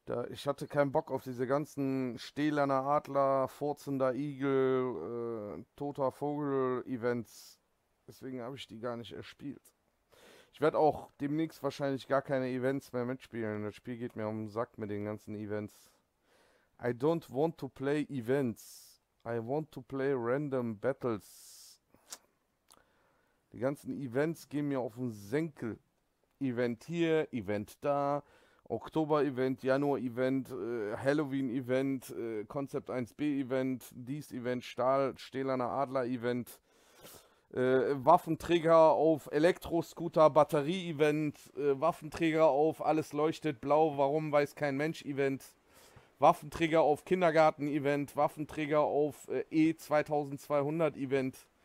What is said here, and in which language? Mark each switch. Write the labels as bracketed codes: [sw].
[de] ich hatte keinen Bock auf diese ganzen stählerner Adler, furzender Igel, toter Vogel-Events. Deswegen habe ich die gar nicht erspielt. Ich werde auch demnächst wahrscheinlich gar keine Events mehr mitspielen. Das Spiel geht mir um den Sack mit den ganzen Events. [en] I don't want to play events. I want to play random battles. [de] Die ganzen Events gehen mir auf den Senkel. Event hier, Event da. Oktober-Event, Januar-Event, Halloween-Event, Konzept 1B-Event, Dies-Event, Stahl, Stählerner Adler-Event, Waffenträger auf Elektroscooter, Batterie-Event, Waffenträger auf Alles leuchtet blau, warum weiß kein Mensch-Event, Waffenträger auf Kindergarten-Event, Waffenträger auf E2200-Event.